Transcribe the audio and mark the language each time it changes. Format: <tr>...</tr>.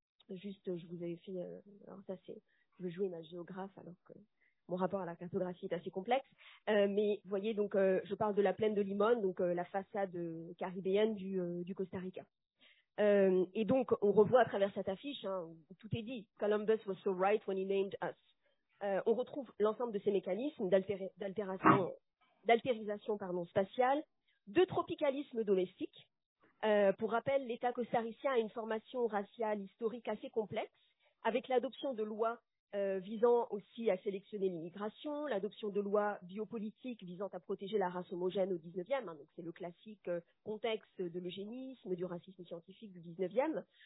<fr>Juste, je vous avais fait... je veux jouer ma géographe, alors que mon rapport à la cartographie est assez complexe. Mais vous voyez, donc, je parle de la plaine de Limón, donc la façade caribéenne du Costa Rica. Et donc, on revoit à travers cette affiche, hein, où tout est dit.</fr> <en>Columbus was so right when he named us.</en> <fr>On retrouve l'ensemble de ces mécanismes d'altérisation spatiale, de tropicalisme domestique. Pour rappel, l'État costaricien a une formation raciale historique assez complexe, avec l'adoption de lois visant aussi à sélectionner l'immigration, l'adoption de lois biopolitiques visant à protéger la race homogène au 19e, hein, donc c'est le classique contexte de l'eugénisme, du racisme scientifique du 19e.</fr>